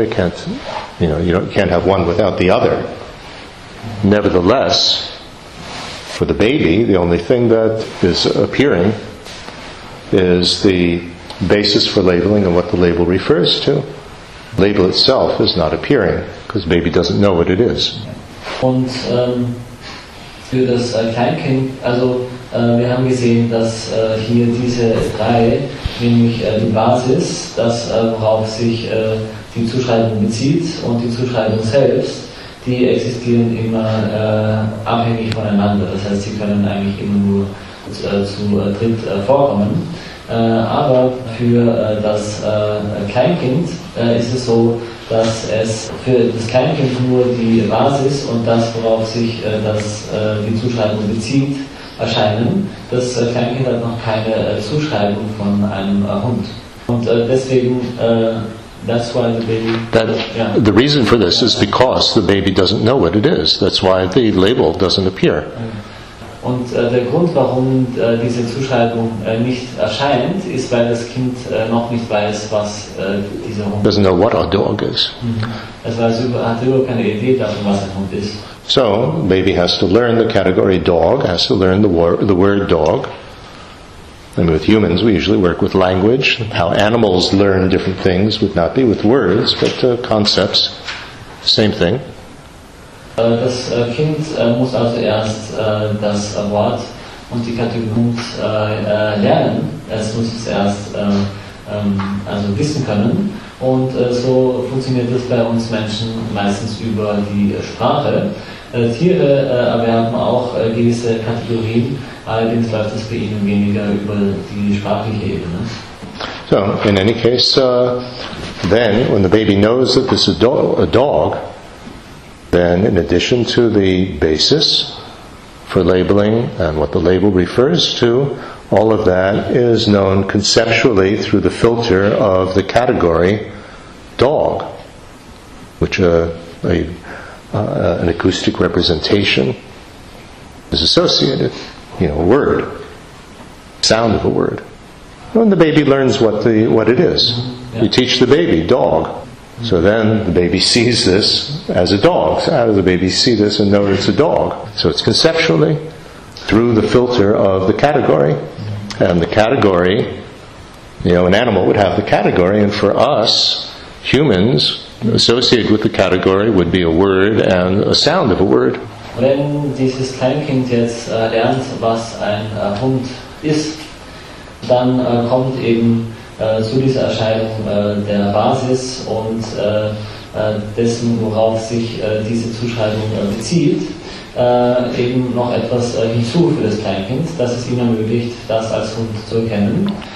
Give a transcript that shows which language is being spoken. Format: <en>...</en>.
<en>They can't, you can't have one without the other. Nevertheless, for the baby, the only thing that is appearing is the basis for labeling and what the label refers to. Label itself is not appearing because baby doesn't know what it is.</en> <de>Und für das Kleinkind, also wir haben gesehen, dass hier diese drei, nämlich die Basis, das worauf sich die Zuschreibung bezieht, und die Zuschreibung selbst, die existieren immer abhängig voneinander. Das heißt, sie können eigentlich immer nur zu dritt vorkommen. Aber für das Kleinkind ist es so, dass es für das Kleinkind nur die Basis und das, worauf sich die Zuschreibung bezieht, erscheinen. Das Kleinkind hat noch keine Zuschreibung von einem Hund. Und deswegen,</de> <en>that's why the baby... The reason for this is because the baby doesn't know what it is. That's why the label doesn't appear.</en> <de>Und der Grund, warum diese Zuschreibung nicht erscheint, ist, weil das Kind noch nicht weiß, was dieser Hund ist.</de> <en>Doesn't know what a dog is.</en> <de>Es hat überhaupt keine Idee davon, was ein Hund ist.</de> <en>So, baby has to learn the category dog, has to learn the word dog. And with humans, we usually work with language. How animals learn different things would not be with words, but concepts. Same thing.</en> <de>Das Kind muss also erst das Wort und die Kategorie Hund lernen. Es muss es erst also wissen können. Und so funktioniert das bei uns Menschen meistens über die Sprache. Tiere erwerben auch gewisse Kategorien, allerdings läuft es bei ihnen weniger über die sprachliche Ebene.</de> <en>So, in any case, then, when the baby knows that this is a dog, then in addition to the basis for labeling and what the label refers to, all of that is known conceptually through the filter of the category dog, which an acoustic representation is associated, a word, sound of a word. And the baby learns what it is. We teach the baby dog. So then the baby sees this as a dog. So how does the baby see this and know it's a dog? So it's conceptually through the filter of the category. And the category, an animal would have the category, and for us, humans, associated with the category would be a word and a sound of a word.</en> <de>Wenn dieses Kleinkind jetzt lernt, was ein Hund ist, dann kommt eben zu dieser Erscheinung der Basis und dessen, worauf sich diese Zuschreibung bezieht, eben noch etwas hinzu für das Kleinkind, das es ihm ermöglicht, das als Hund zu erkennen.</de>